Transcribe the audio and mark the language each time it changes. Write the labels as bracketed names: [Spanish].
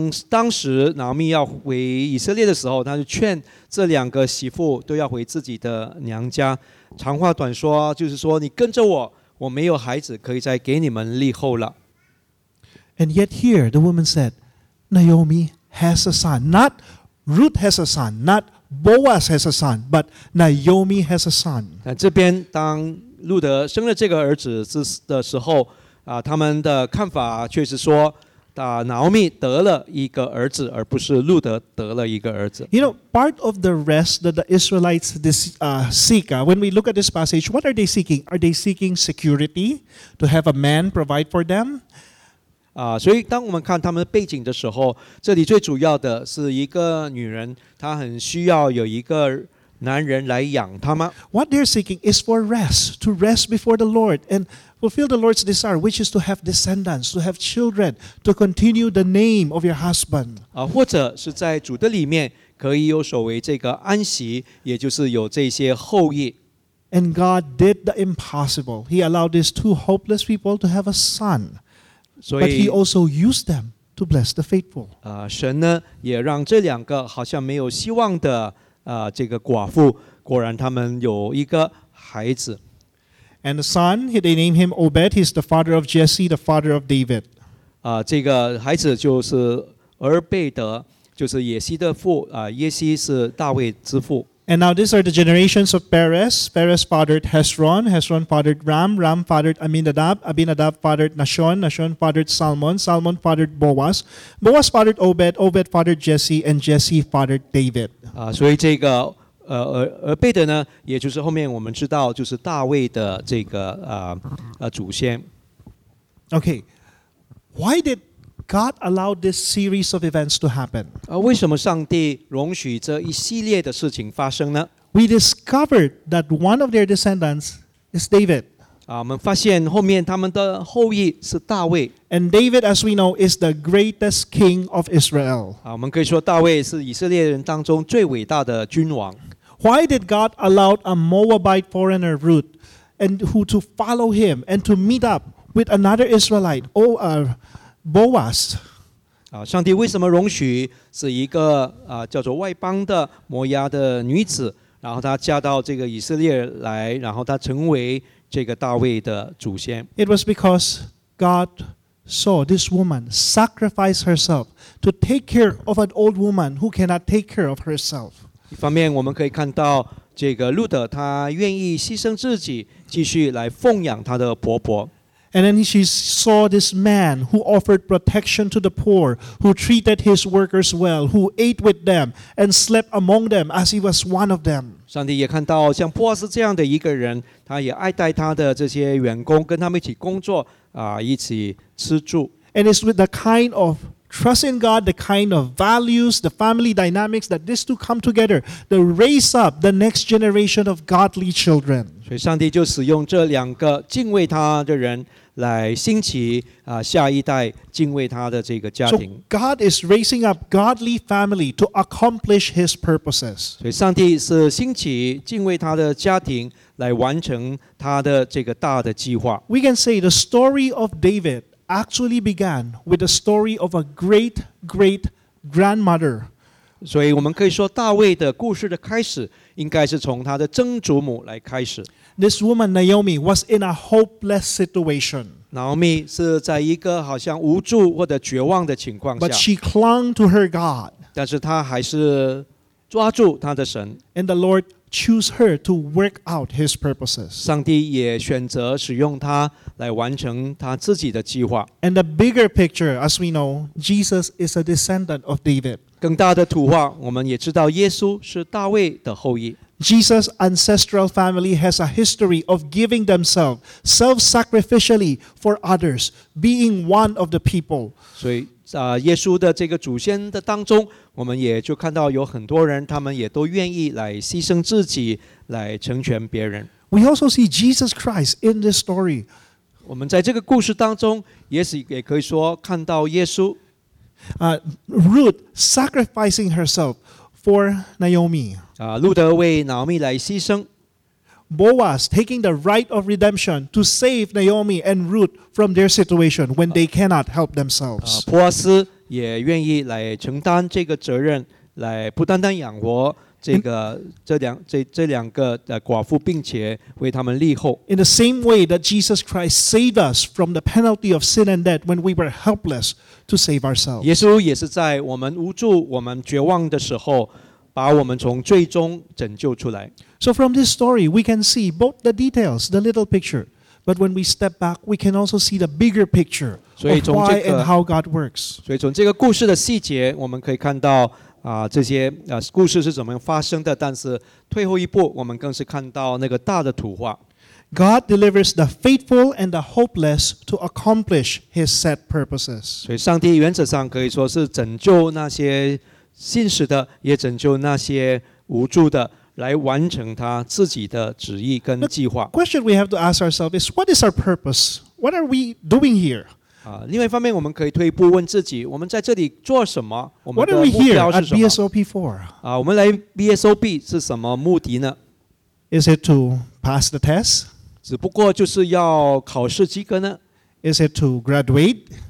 [Chinese] 当时娜奥米要回以色列的时候，她就劝这两个媳妇都要回自己的娘家。长话短说，就是说你跟着我，我没有孩子可以再给你们立后了。 [English] And yet here the woman said, Naomi has a son. Not Ruth has a son. Not Boaz has a son. But Naomi has a son. [Chinese] 这边当路德生了这个儿子的时候，他们的看法却是说。 Naomi 得了一个儿子，而不是路德得了一个儿子。 [English] You know, part of the rest that the Israelites seek, when we look at this passage, what are they seeking? Are they seeking security to have a man provide for them? [Chinese] 所以当我们看他们的背景的时候，这里最主要的是一个女人，她很需要有一个男人来养她吗？ [English] What they're seeking is for rest, to rest before the Lord and fulfill the Lord's desire, which is to have descendants, to have children, to continue the name of your husband. [Chinese] 或者是在主的里面可以有所谓这个安息，也就是有这些后裔。 [English] And God did the impossible. He allowed these two hopeless people to have a son. So, but He also used them to bless the faithful. [Chinese] 神呢也让这两个好像没有希望的这个寡妇，果然他们有一个孩子。 [English] And the son, they named him Obed. He's the father of Jesse, the father of David. [Chinese] 这个孩子就是俄贝德，就是耶西的父。耶西是大卫之父。 [English] And now these are the generations of Perez. Perez fathered Hezron. Hezron fathered Ram. Ram fathered Aminadab. Aminadab fathered Nashon. Nashon fathered Salmon. Salmon fathered Boaz. Boaz fathered Obed. Obed fathered Jesse. And Jesse fathered David. [Chinese] 所以这个贝德呢，也就是后面我们知道就是大卫的这个祖先。 [English] Okay, why did God allow this series of events to happen? [Chinese] 为什么上帝容许这一系列的事情发生呢 [English] ？We discovered that one of their descendants is David. [Chinese] 我们发现后面他们的后裔是大卫。 [English] And David, as we know, is the greatest king of Israel. [Chinese] 我们可以说大卫是以色列人当中最伟大的君王。 [English] Why did God allow a Moabite foreigner, Ruth, and who to follow him and to meet up with another Israelite, Boaz? [Chinese] 上帝为什么容许是一个叫做外邦的摩押的女子，然后她嫁到这个以色列来，然后她成为这个大卫的祖先 [English] ？It was because God saw this woman sacrifice herself to take care of an old woman who cannot take care of herself. [Chinese] 一方面，我们可以看到这个路德，她愿意牺牲自己，继续来奉养她的婆婆。 [English] And then she saw this man who offered protection to the poor, who treated his workers well, who ate with them and slept among them as he was one of them. [Chinese] 上帝也看到像波斯这样的一个人，他也爱戴他的这些员工，跟他们一起工作，一起吃住。 [English] And it's with the kind of trust in God, the kind of values, the family dynamics that these two come together to raise up the next generation of godly children. [Chinese] 所以上帝就使用这两个敬畏他的人来兴起下一代敬畏他的这个家庭。 [English] So God is raising up godly family to accomplish His purposes. [Chinese] 所以上帝是兴起敬畏他的家庭来完成他的这个大的计划。 [English] We can say the story of David actually began with the story of a great, great grandmother. [Chinese] 所以我们可以说大卫的故事的开始应该是从他的曾祖母来开始。 [English] This woman, Naomi, was in a hopeless situation. [Chinese] Naomi 是在一个好像无助或者绝望的情况下。 [English] But she clung to her God. [Chinese] 但是她还是抓住她的神。 [English] And the Lord chose her to work out His purposes. [Chinese] 上帝也选择使用她来完成她自己的计划。 [English] And the bigger picture, as we know, Jesus is a descendant of David. [Chinese] 更大的图画，我们也知道耶稣是大卫的后裔。 [English] Jesus' ancestral family has a history of giving themselves self-sacrificially for others, being one of the people. [Chinese] 所以，耶稣的这个祖先的当中，我们也就看到有很多人，他们也都愿意来牺牲自己，来成全别人。 [English] We also see Jesus Christ in this story. [Chinese] 我们在这个故事当中，也许也可以说看到耶稣。 [English] Ruth sacrificing herself for Naomi. [Chinese] 路德为 Naomi 来牺牲。 [English] Boaz taking the right of redemption to save Naomi and Ruth from their situation when they cannot help themselves. [Chinese] 波阿斯也愿意来承担这个责任，来不单单养活这个这两个寡妇，并且为他们立后。 [English] In the same way that Jesus Christ saved us from the penalty of sin and death when we were helpless to save ourselves. [Chinese] 耶稣也是在我们无助、我们绝望的时候，把我们从最终拯救出来。 [English] So from this story, we can see both the details, the little picture. But when we step back, we can also see the bigger picture of why and how God works. [Chinese] 所以从这个故事的细节，我们可以看到这些故事是怎么发生的。但是退后一步，我们更是看到那个大的图画。 [English] God delivers the faithful and the hopeless to accomplish His set purposes. [Chinese] 所以上帝原则上可以说是拯救那些信实的，也拯救那些无助的，来完成他自己的旨意跟计划。 [English] The question we have to ask ourselves is, what is our purpose? What are we doing here? [Chinese] 另外一方面，我们可以退一步问自己，我们在这里做什么？我们的目标是什么？ [English] What are we here at BSOP for? [Chinese] 我们来 BSOP 是什么目的呢？ [English] Is it to pass the test? [Chinese] 只不过就是要考试及格呢？ [English] Is it to graduate?